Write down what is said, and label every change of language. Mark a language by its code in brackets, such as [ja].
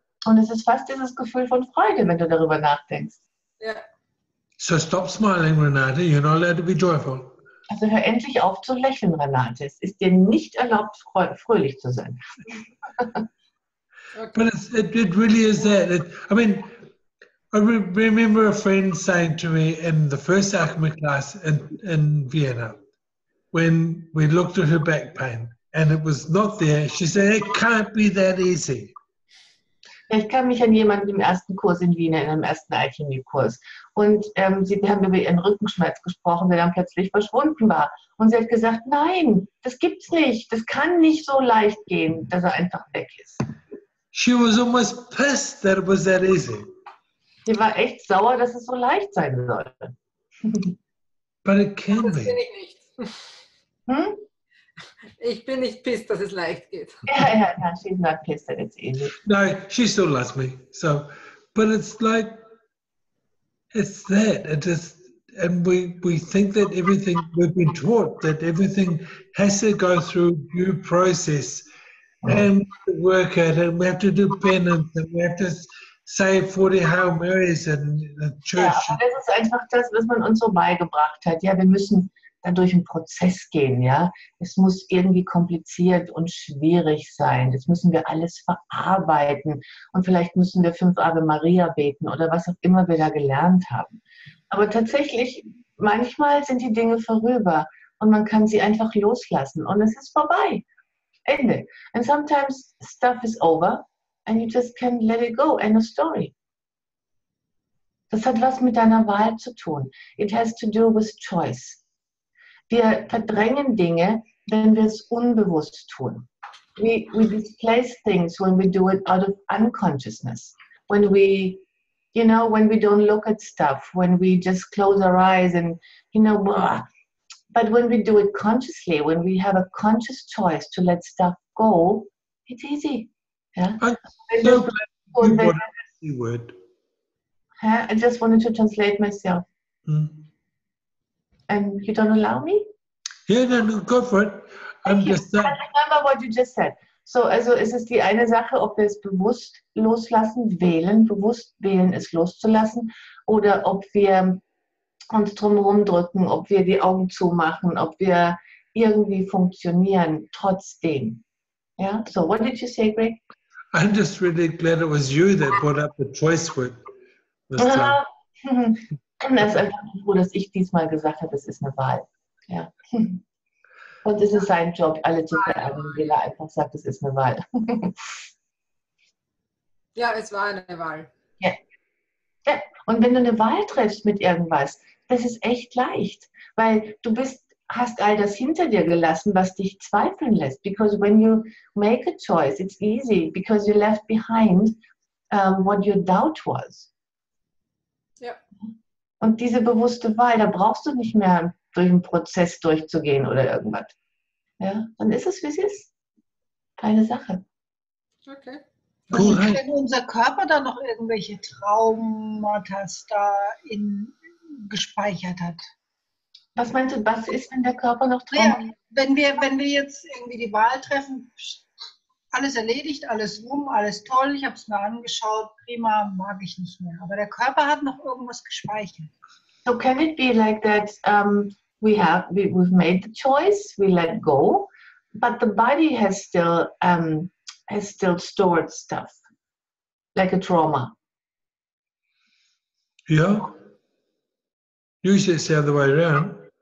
[de] Und es ist fast dieses Gefühl von Freude, wenn du darüber nachdenkst. Ja. [en] So stop smiling, Renate. You're not allowed to be joyful. [de] Also hör endlich auf zu lächeln, Renate. Es ist dir nicht erlaubt, fröhlich zu sein. [en] But it really is that. I remember a friend saying to me in the first Acme class in Vienna, when we looked at her back pain and it was not there, she said, it can't be that easy. [de] Ich kann mich an jemanden im ersten Kurs in Wien, in einem ersten Alchemie-Kurs. Und sie haben über ihren Rückenschmerz gesprochen, der dann plötzlich verschwunden war. Und sie hat gesagt, nein, das gibt's nicht. Das kann nicht so leicht gehen, dass er einfach weg ist. [en] She was almost pissed that it was that easy. [de] Sie war echt sauer, dass es so leicht sein soll. [en] But it can [de] be. Das bin ich nicht. Ich bin nicht pissed, dass es leicht geht. [en] Ja, she's not pissed, that it's easy. No, she still loves me. So, but it's like, it's that. It just, and we think that everything, we've been taught that everything has to go through due process and work at it. And we have to do penance and we have to say 40 Hail Marys in the church. [de] Ja, das ist einfach das, was man uns so beigebracht hat. Ja, wir müssen dann durch einen Prozess gehen, ja. Es muss irgendwie kompliziert und schwierig sein. Das müssen wir alles verarbeiten. Und vielleicht müssen wir 5 Ave Maria beten oder was auch immer wir da gelernt haben. Aber tatsächlich, manchmal sind die Dinge vorüber und man kann sie einfach loslassen und es ist vorbei. Ende. [en] And sometimes stuff is over and you just can let it go. End of story. [de] Das hat was mit deiner Wahl zu tun. [en] It has to do with choice. [de] Wir verdrängen Dinge, wenn wir es unbewusst tun. [en] We displace things when we do it out of unconsciousness. When we, you know, when we don't look at stuff, when we just close our eyes and, you know, blah. But when we do it consciously, when we have a conscious choice to let stuff go, it's easy. Yeah? I just wanted to translate myself. Mm. And you don't allow me? Yeah, then go for it. I remember what you just said. [de] So, also ist es die eine Sache, ob wir es bewusst loslassen, wählen, bewusst wählen, es loszulassen, oder ob wir uns drumherum drücken, ob wir die Augen zumachen, ob wir irgendwie funktionieren, trotzdem. [en] Ja, yeah? So, what did you say, Greg? I'm just really glad it was you that brought up the choice word. [de] Das ist einfach froh, dass ich diesmal gesagt habe, es ist eine Wahl. Ja. Und es ist sein Job, alle zu verärgern, weil er einfach sagt, es ist eine Wahl. Ja, es war eine Wahl. Ja. Ja. Und wenn du eine Wahl triffst mit irgendwas, das ist echt leicht, weil du bist, hast all das hinter dir gelassen, was dich zweifeln lässt. [en] Because when you make a choice, it's easy, because you left behind what your doubt was. Ja. [de] Und diese bewusste Wahl, da brauchst du nicht mehr durch einen Prozess durchzugehen oder irgendwas. Ja, dann ist es, wie es ist. Keine Sache. Okay. Cool. Also, wenn unser Körper da noch irgendwelche Traumata da in gespeichert hat. Was meinst du, was ist, wenn der Körper noch Traumata hat? Ja, wenn wir jetzt irgendwie die Wahl treffen, alles erledigt, alles rum, alles toll, ich habe es mir angeschaut, prima, mag ich nicht mehr. Aber der Körper hat noch irgendwas gespeichert. [en] So can it be like that we've made the choice, we let go, but the body has still stored stuff, like a trauma? Yeah. Usually it's the other way around.